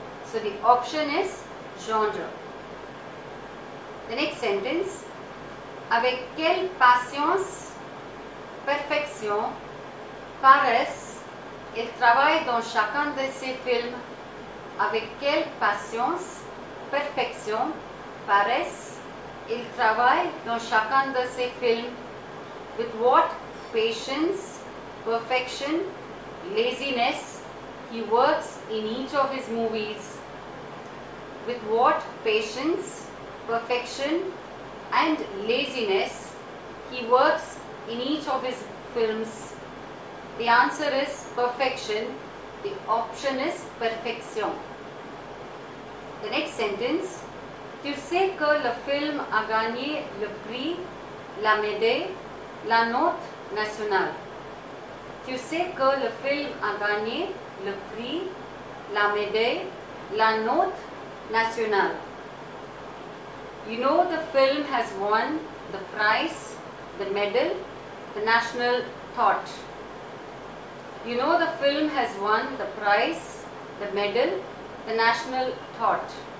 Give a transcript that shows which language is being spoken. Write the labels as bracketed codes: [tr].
[en] So the option is genre. The next sentence, [fr] avec quelle patience, perfection, paresse, il travaille dans chacun de ses films. Avec quelle patience, perfection, paresse, il travaille dans chacun de ses films. [en] With what patience, perfection, laziness, he works in each of his movies. With what patience, perfection, and laziness, he works in each of his films. The answer is perfection. The option is perfection. The next sentence, [fr] tu sais que le film a gagné le prix, la médaille, la note nationale. Tu sais que le film a gagné le prix, la médaille, la note nationale. [en] You know the film has won the prize, the medal, the national thought. You know the film has won the prize, the medal, the national thought.